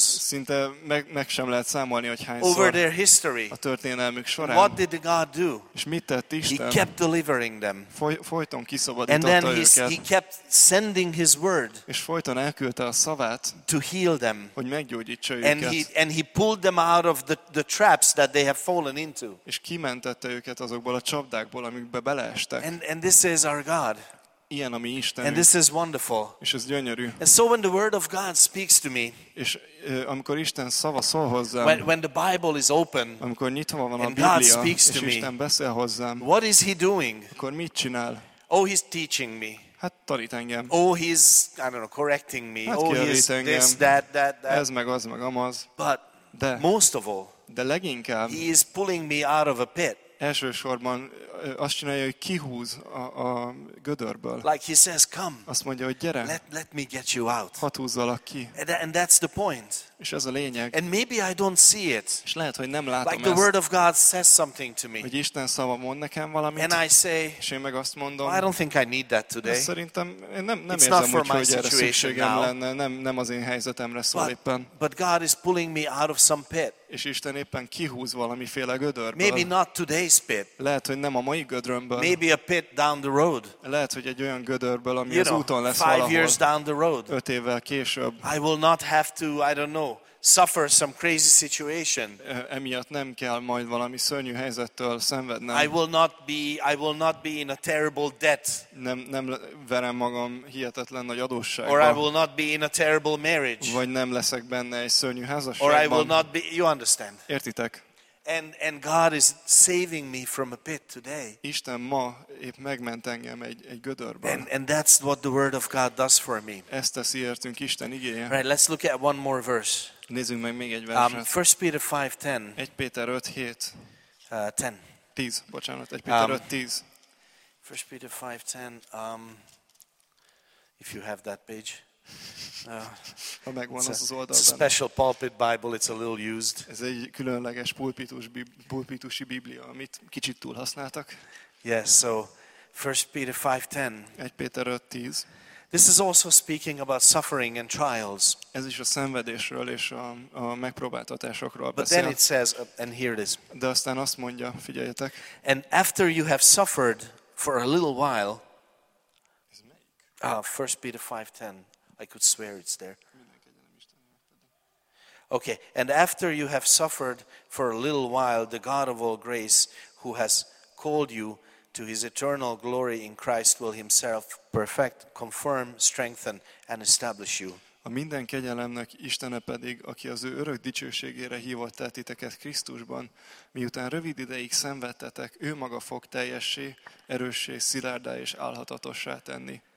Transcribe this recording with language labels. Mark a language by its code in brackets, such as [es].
[hu] Szinte meg sem lehet számolni, hogy hány [en] over their history. [hu] A történelmük során. [en] What did God do? [hu] És mit tett Isten? [en] He kept delivering them. [hu] Folyton kiszabadította őket. [en] And then he kept sending his word. [hu] És folyton elküldte a szavát. [en] To heal them. [hu] Hogy meggyógyítsa őket. [en] And he pulled them out of the traps that they have fallen into. [hu] És kimentette őket azokból a csapdákból, amikbe beleestek. [en] And this is our God. [hu] Ilyen a mi Istenünk. [en] And this is wonderful. [hu] És ez gyönyörű. [en] And so when the word of God speaks to me. [hu] És amikor Isten szava szól hozzám. [en] When the Bible is open. [hu] Amikor nyitva van a [en] and [hu] Biblia. [en] God speaks [hu] és [en] to me. [hu] Isten beszél hozzám. [en] What is he doing? [hu] Akkor mit csinál? [en] Oh, he's teaching me. [hu] Hát tanít engem. [en] Oh, he's, I don't know, correcting me. [hu] Hát [en] oh, he's [hu] kijavít engem. [en] This, that. [hu] Ez meg az, meg amaz. [en] But [hu] de, [en] most of all. [hu] De leginkább. [en] He is pulling me out of a pit. [hu] Elsősorban azt csinálja, hogy kihúz a gödörből. [en] Like he says, come. [hu] Azt mondja, hogy gyere. [en] Let me get you out. [hu] Hadd húzzalak ki. [en] And that's the point. [hu] És ez a lényeg. [en] And maybe I don't see it. [hu] És lehet, hogy nem látom ezt. [en] Like the word of God says something to me. [hu] Hogy Isten szava mond nekem valamit. [en] And I say. [hu] És én meg azt mondom. [en] Well, I don't think I need that today. [hu] Szerintem én nem érzem, hogy erre szükségem lenne. Nem az én helyzetemre szól éppen. [en] But God is pulling me out of some pit. [hu] És Isten éppen kihúz valamiféle gödörből. [en] Maybe not today's pit. [hu] Lehet, hogy nem a mai gödrömből. [en] Maybe a pit down the road. [hu] Lehet, hogy egy olyan gödörből, ami [en] you know, [hu] az úton lesz [en] five [hu] valahol. [en] Years down the road. [hu] 5 évvel később. [en] I will not have to, I don't know, suffer some crazy situation. [hu] Emiatt nem kell majd valami szörnyű helyzettől szenvednem. [en] I will not be in a terrible debt. [hu] Nem verem magam hihetetlen nagy adósságba. [en] Or I will not be in a terrible marriage. [hu] Vagy nem leszek benne egy szörnyű házasságban. [en] Or I will not be, you understand. [hu] Értitek? [en] And God is saving me from a pit today. [hu] Isten ma épp megment engem egy gödörből. [en] And that's what the word of God does for me. [hu] Ezt teszi értünk Isten igéje. [en] Right, let's look at one more verse. [hu] Nézzünk meg még egy verset. [en] 1 Peter 5:10. [hu] 1 Péter 5:7. [en] 10. [hu] 10, bocsánat, 1 Péter 5:10. [en] 1 Peter 5:10. If you have that page. [hu] Ha megvan az az oldalban. [en] It's a special pulpit Bible, it's a little used. [hu] Ez egy különleges pulpitusi Biblia, amit kicsit túl használtak. [en] Yes, so 1 Peter 5:10. [hu] 1 Péter 5:10. [en] This is also speaking about suffering and trials. [hu] Ez is a szenvedésről és a megpróbáltatásokról [en] but [hu] beszél. [en] But then it says, and here it is. [hu] De aztán azt mondja, figyeljetek. [en] And after you have suffered for a little while, First Peter 5:10. I could swear it's there. Okay, and after you have suffered for a little while, the God of all grace, who has called you to his eternal glory in Christ, will himself perfect, confirm, strengthen, and establish you. [hu] A minden kegyelemnek Istene pedig, aki az ő örök dicsőségére hívott el titeket Krisztusban, miután rövid ideig szenvedtetek, ő maga fog teljessé, erőssé, szilárdá és álhatatossá tenni.